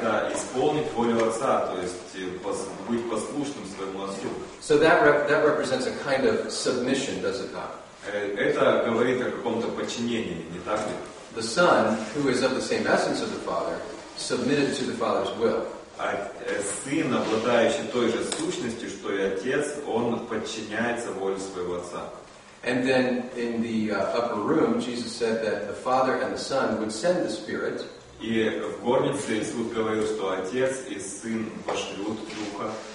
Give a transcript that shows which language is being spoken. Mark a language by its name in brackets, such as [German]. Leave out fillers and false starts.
[Russian] Да, исполнить волю отца, то есть быть послушным своему отцу. [English] So that represents a kind of submission, does it not? [Russian] Это говорит о каком-то подчинении, не так ли? [English] The son, who is of the same essence as the father, submitted to the father's will. [Russian] А сын, обладающий той же сущностью, что и отец, он подчиняется воле своего отца. [English] And then in the upper room, Jesus said that the Father and the Son would send the Spirit. [Russian] И в горнице Иисус говорил, что Отец и Сын пошлют Духа.